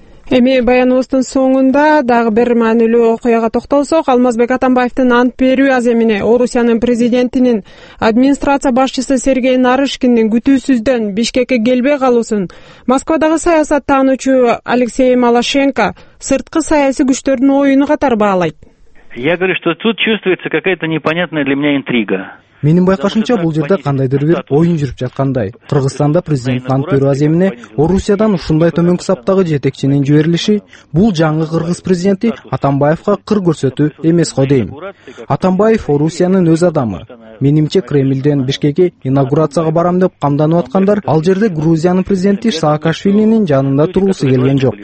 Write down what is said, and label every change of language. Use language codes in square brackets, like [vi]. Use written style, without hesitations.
[ky] Эми баяныбыздын соңунда дагы бир маанилүү окуяга токтолсок, Алмазбек Атамбаевдин ант берүү аземине Орусиянын президентинин администрация башчысы Сергей Нарышкиндин күтүүсүздөн Бишкекке келбей калуусун Москвадагы саясат таануучу Алексей Малашенко сырткы саясий күчтөрдүн оюну катар баалайт. [ru] Я говорю, что тут чувствуется какая-то непонятная для меня интрига. [ky] Менин байкашымча бул жерде кандайдыр бир оюн жүрүп жаткандай. Кыргызстанда президент ант берүү аземине Орусиядан ушундай төмөнкү саптагы жетекчинин жиберилиши бул жаңы кыргыз президенти Атамбаевга кыр көрсөтүү эмес го дейм. Атамбаев Орусиянын өз адамы. Менимче Кремльден Бишкекке инаугурацияга барам деп камданып аткандар ал жерде Грузиянын президенти Саакашвилинин жанында туруусу келген жок.